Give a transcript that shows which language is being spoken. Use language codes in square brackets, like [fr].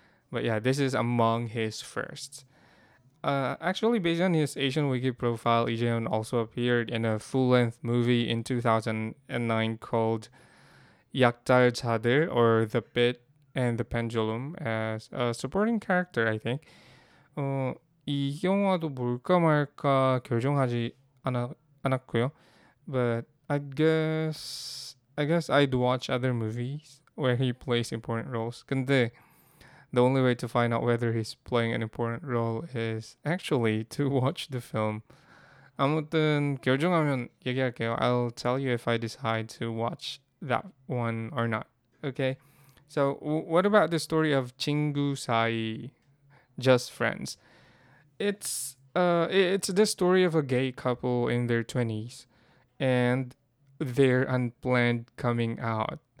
[en] But yeah, this is among his firsts. Actually, based on his Asian Wiki profile, Lee Jae-hoon also appeared in a full-length movie in 2009 called Yakdal Jadeul, or The Pit and the Pendulum, as a supporting character, I think. [ko] 이 영화도 볼까 말까 결정하지 않았고요. [en] But I guess I'd watch other movies where he plays important roles. [ko] 근데 [en] the only way to find out whether he's playing an important role is actually to watch the film. [ko] 아무튼 결정하면 얘기할게요. [en] I'll tell you if I decide to watch that one or not. Okay. So what about the story of 친구 사이, just friends? It's the story of a gay couple in their 20s and their unplanned coming out.